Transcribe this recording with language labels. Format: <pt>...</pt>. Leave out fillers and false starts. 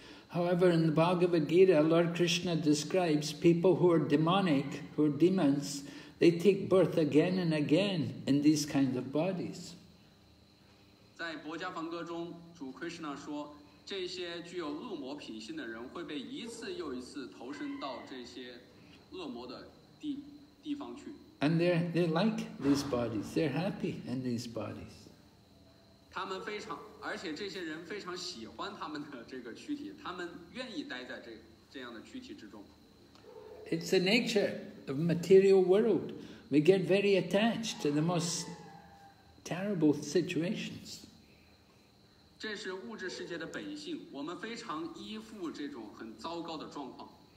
<en>However, in the Bhagavad Gita, Lord Krishna describes people who are demonic, who are demons, they take birth again and again in these kinds of bodies.</en> <zh>在薄伽梵歌中，主 Krishna 说，这些具有恶魔品性的人会被一次又一次投生到这些恶魔的地方去。</zh> <en>And they like these bodies. They're happy in these bodies.</en> <zh>他们非常，而且这些人非常喜欢他们的这个躯体，他们愿意待在这样的躯体之中。</zh> <en>It's the nature of material world. We get very attached to the most terrible situations.</en> <zh>这是物质世界的本性，我们非常依附这种很糟糕的状况。</zh>